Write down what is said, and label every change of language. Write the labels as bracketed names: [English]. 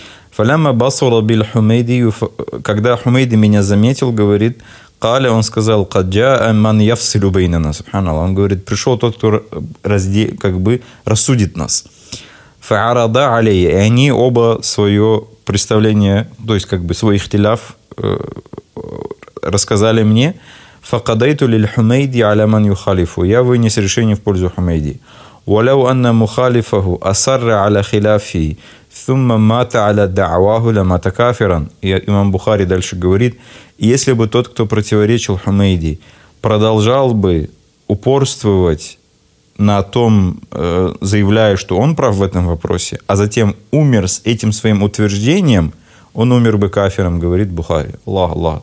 [Arabic] «Фалямма басула биль Хумейди», [Russian] когда Хумейди меня заметил, говорит, [Arabic] «Каля», [Russian] он сказал, [Arabic] «каджа аман яфсилю бейнана», [Russian] субханаллах. Он говорит, пришел тот, кто как бы рассудит нас. [Arabic] «Фаарада алей», [Russian] и они оба свое представление, то есть как бы свой ихтиляф рассказали мне. [Arabic] «Факадайту лиль Хумейди аля ман юхалифу», [Russian] я вынес решение в пользу Хумейди. [Arabic] ولو أن مخالفه أصر على خلافه ثم مات على دعواه لمات كافرا. [Russian] Имам Бухари дальше говорит, если бы тот, кто противоречил Хумейди, продолжал бы упорствовать на том, заявляя, что он прав в этом вопросе, а затем умер с этим своим утверждением, он умер бы кафиром, говорит Бухари. Аллах, Аллах.